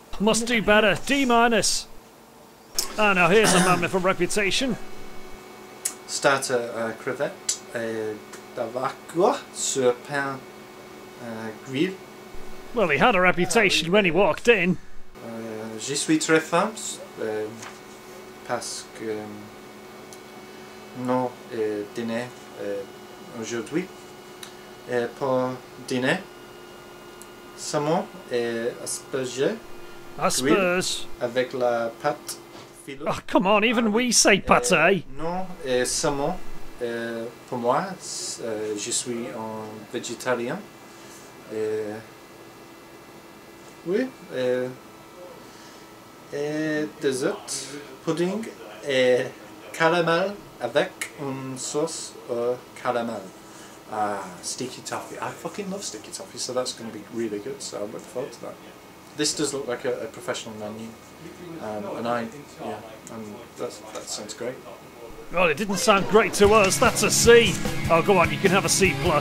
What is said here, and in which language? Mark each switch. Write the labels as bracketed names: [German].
[English] must do better. D minus. Ah, now here's a man with a reputation. [French] Starter crevette d'avocat sur pain grillé. [English] Well, he had a reputation when he walked in. [French] Je suis très fin, parce que non dîner aujourd'hui. Et pour dîner, salmon et asperges. Asperges. Avec la pâte filo. [English] Oh, come on, even we say pâté. [French] Non, seulement, pour moi, je suis un végétarien. Oui, et des œufs, pudding et caramel avec une sauce au caramel. [English] Ah, sticky toffee. I fucking love sticky toffee, so that's going to be really good, so I'm looking forward to that. This does look like a professional menu, that sounds great. Well, it didn't sound great to us, that's a C. Oh, go on, you can have a C+.